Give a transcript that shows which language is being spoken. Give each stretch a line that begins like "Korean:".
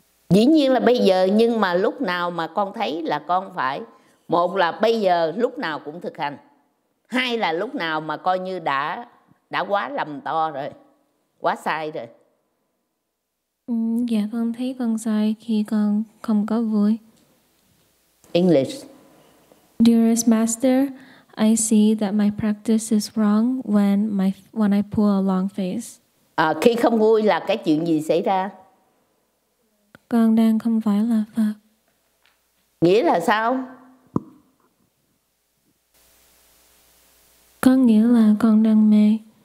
Vietnamese: Dĩ nhiên là bây giờ, nhưng mà lúc nào mà con thấy là con phải, một là bây giờ lúc nào cũng thực hành, hai là lúc nào mà coi như đã quá lầm to rồi, quá sai rồi. Dạ, con thấy con sai khi con không có vui.
English: English. Dearest Master, I see that my practice is wrong when I pull a long face.
Vietnamese: À, khi không vui là cái chuyện gì xảy ra? Con đang không phải là Phật. Nghĩa là sao? Con nghĩa là con đang mê.